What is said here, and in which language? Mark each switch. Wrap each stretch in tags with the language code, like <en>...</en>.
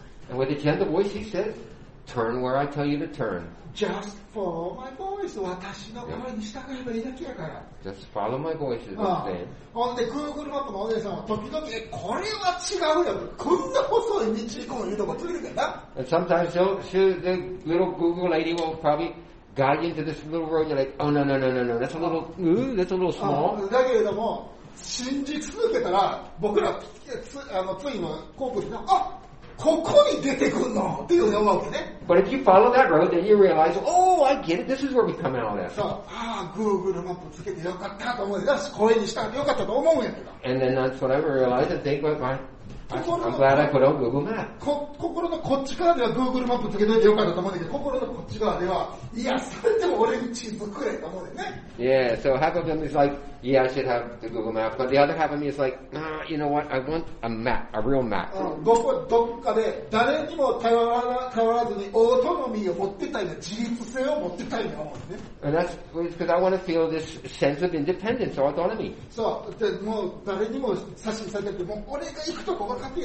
<en>And with a gentle voice, she says, turn where I tell you to turn. Just follow my voice.</en> <ja>私の声に従えばいいだけやから。</ja> <en>Just follow my voice.</en> <ja>ほんで、Google マップのお姉さんは時々、これは違うよ。こんな細い道行こういうとこついるけどな。</ja> <en>And sometimes the little Google lady will probably guide you into this little road. You're like, oh, no. That's a little, that's a little small.</en> <ja>だけれども、信じ続けたら、僕ら、ついの航空機が、あっここに出てくるのっていうのがわけね。</ja> <en>But if you follow that road, then you realize, oh, I get it. This is where we come out at.</en> <ja>そう。ああ、Google マップつけてよかったと思う。よし、声にしたらよかったと思うんやけど。</ja> <en>And then that's what I realized. I think, well, I'm glad I put out Google Maps.</en> <ja>心のこっち側では Google マップつけといてよかったと思うんだけど、心のこっち側では、いや、それでも俺に地図くれと思うんだよね。</ja> <en>Yeah, so half of them is like, yeah, I should have the Google Map. But the other half of me is like, nah, you know what, I want a map, a real map.</en> <ja>どこ、どっかで誰にも頼らずにオートノミーを持ってたいな、自立性を持ってたいな、思うんだよね。</ja> <en>And that's because I want to feel this sense of independence or autonomy.</en> <ja>そう、でもう誰にも差し出されて、もう俺が行くとこ、</ja>